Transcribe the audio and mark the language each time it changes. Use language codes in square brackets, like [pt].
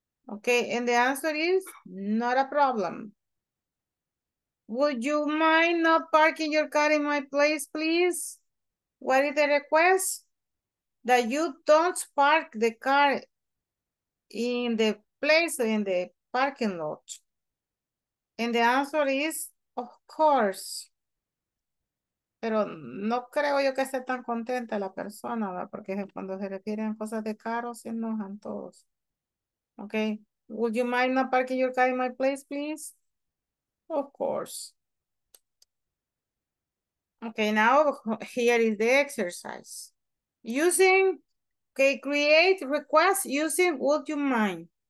[en] Okay, and the answer is not a problem. Would you mind not parking your car in my place, please? What is the request? That you don't park the car in the place in the parking lot. And the answer is, of course. [es] Pero no creo yo que esté tan contenta la persona, ¿verdad? Porque cuando se refieren cosas de carros, se enojan todos. [en] Okay. Would you mind not parking your car in my place, please? Of course. Okay, now here is the exercise. Using okay, create requests using would you mind.